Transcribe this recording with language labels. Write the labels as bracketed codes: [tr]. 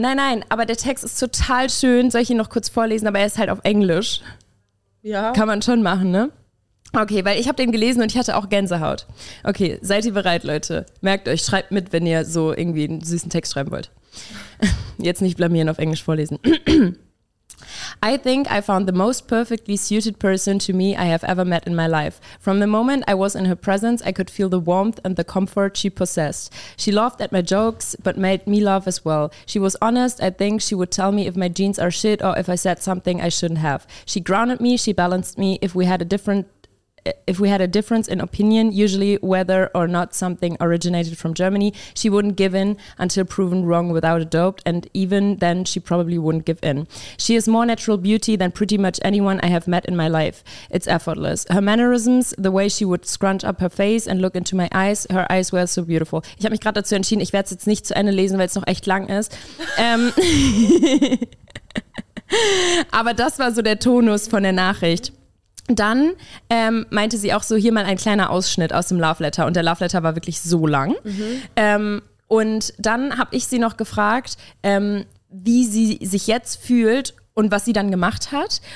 [de] Nein, nein, aber der Text ist total schön, soll ich ihn noch kurz vorlesen, aber er ist halt auf Englisch. Ja. Kann man schon machen, ne? Okay, weil ich habe den gelesen und ich hatte auch Gänsehaut. Okay, seid ihr bereit, Leute? Merkt euch, schreibt mit, wenn ihr so irgendwie einen süßen Text schreiben wollt. Jetzt nicht blamieren, auf Englisch vorlesen. [en] I think I found the most perfectly suited person to me I have ever met in my life. From the moment I was in her presence, I could feel the warmth and the comfort she possessed. She laughed at my jokes, but made me laugh as well. She was honest, I think she would tell me if my jeans are shit or if I said something I shouldn't have. She grounded me, she balanced me, if we had a difference in opinion, usually whether or not something originated from Germany, she wouldn't give in until proven wrong without a doubt, and even then she probably wouldn't give in. She is more natural beauty than pretty much anyone I have met in my life. It's effortless. Her mannerisms, the way she would scrunch up her face and look into my eyes, her eyes were so beautiful. [de] Ich habe mich gerade dazu entschieden, ich werde es jetzt nicht zu Ende lesen, weil es noch echt lang ist. Aber das war so der Tonus von der Nachricht. Dann meinte sie auch so, hier mal ein kleiner Ausschnitt aus dem Love Letter. Und der Love Letter war wirklich so lang. Mhm. Und dann habe ich sie noch gefragt, wie sie sich jetzt fühlt und was sie dann gemacht hat.